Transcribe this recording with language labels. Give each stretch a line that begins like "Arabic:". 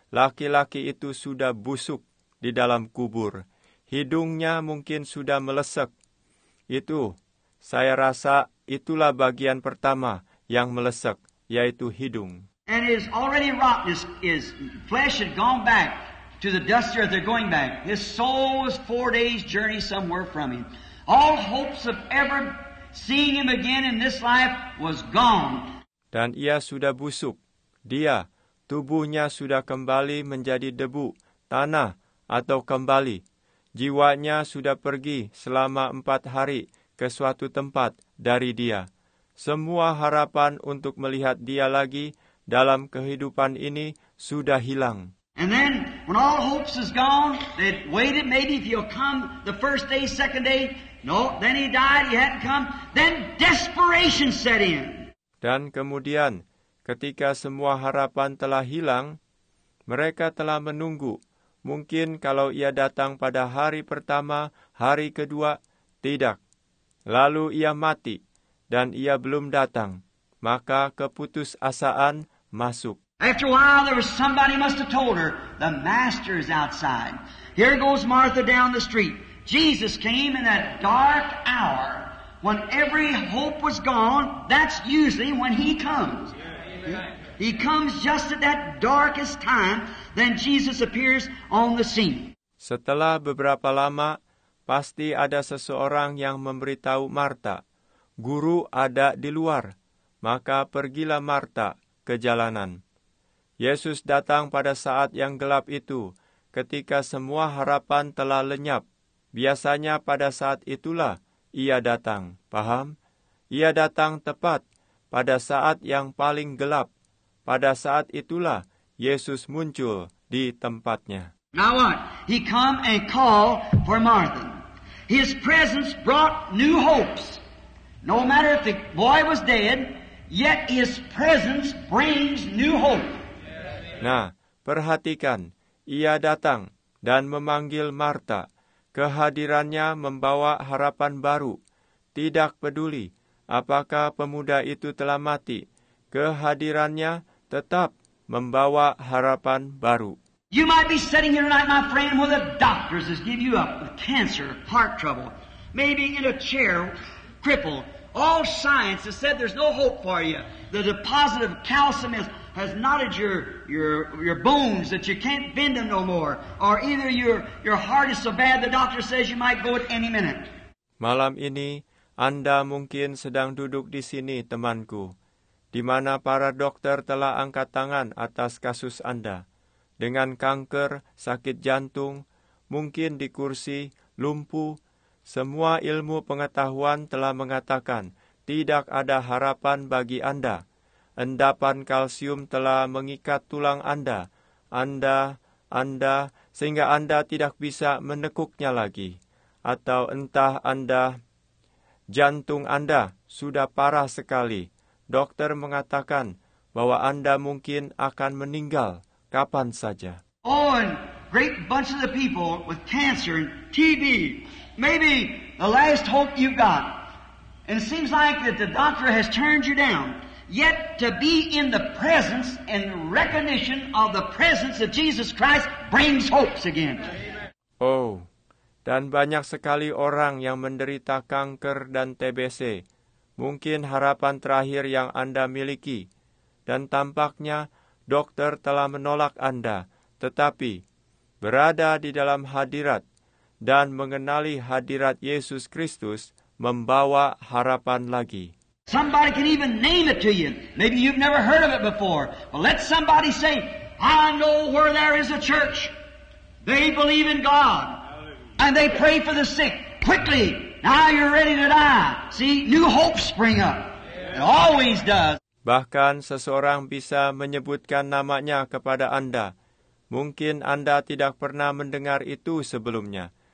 Indonesian: Laki-laki itu sudah busuk di dalam kubur. Hidungnya mungkin sudah melesek. Itu, saya rasa, itulah bagian pertama yang melesek, yaitu hidung.
English: And his already rottenness, his flesh had gone back to the dust earth, they're going back. His soul was 4 days journey somewhere from him. All hopes of ever seeing him again in this life was gone.
Indonesian: Dan ia sudah busuk. Dia, tubuhnya sudah kembali menjadi debu, tanah, atau kembali. Jiwanya sudah pergi selama 4 hari ke suatu tempat dari dia. Semua harapan untuk melihat dia lagi dalam kehidupan ini sudah hilang.
English: And then, when all hopes is gone, they waited maybe if he'll come the first day, second day. No, then he died, he hadn't come. Then desperation set in.
Indonesian: Dan kemudian, ketika semua harapan telah hilang, mereka telah menunggu. Mungkin kalau ia datang pada hari pertama, hari kedua, tidak. Lalu ia mati, dan ia belum datang. Maka keputusasaan masuk.
English: After a while, there was somebody must have told her, the master is outside. Here goes Martha down the street. Jesus came in that dark hour, when every hope was gone. That's usually when he comes. He comes just at that darkest time, then Jesus appears on the scene.
Indonesian: Setelah beberapa lama, pasti ada seseorang yang memberitahu Martha, guru ada di luar, maka pergilah Martha ke jalanan. Yesus datang pada saat yang gelap itu, ketika semua harapan telah lenyap. Biasanya pada saat itulah ia datang, paham? Ia datang tepat pada saat yang paling gelap. Pada saat itulah Yesus muncul di tempatnya.
English: Now what? He come and call for Martha. His presence brought new hopes. No matter if the boy was dead, yet his presence brings new hope.
Indonesian: Nah, perhatikan. Ia datang. dan memanggil Marta. Kehadirannya membawa harapan baru. Tidak peduli apakah pemuda itu telah mati, kehadirannya tetap membawa harapan baru.
English: You might be sitting here tonight, my friend, where the doctors has given you up with cancer, heart trouble, maybe in a chair, crippled. All science has said there's no hope for you. The deposit of calcium has knotted your bones that you can't bend them no more. Or either your heart is so bad the doctor says you might go at any minute.
Indonesian: Malam ini, Anda mungkin sedang duduk di sini, temanku, di mana para dokter telah angkat tangan atas kasus Anda. Dengan kanker, sakit jantung, mungkin di kursi, lumpuh, semua ilmu pengetahuan telah mengatakan tidak ada harapan bagi Anda. Endapan kalsium telah mengikat tulang Anda. Anda, sehingga Anda tidak bisa menekuknya lagi. Atau entah Anda, jantung Anda sudah parah sekali. Dokter mengatakan bahwa Anda mungkin akan meninggal. Kapan saja.
English: Oh, and great bunch of the people with cancer and TB, maybe the last hope you've got. And it seems like that the doctor has turned you down. Yet to be in the presence and recognition of the presence of Jesus Christ brings hopes again.
Indonesian: Oh, dan banyak sekali orang yang menderita kanker dan TBC. Mungkin harapan terakhir yang Anda miliki. Dan tampaknya, dokter telah menolak Anda, tetapi berada di dalam hadirat dan mengenali hadirat Yesus Kristus membawa harapan lagi.
English: Somebody can even name it to you. Maybe you've never heard of it before. But let somebody say, I know where there is a church. They believe in God. And they pray for the sick. Quickly, now you're ready to die. See, new hope spring up. It always does.
Indonesian: Bahkan seseorang bisa menyebutkan namanya kepada Anda. Mungkin Anda tidak pernah mendengar itu sebelumnya.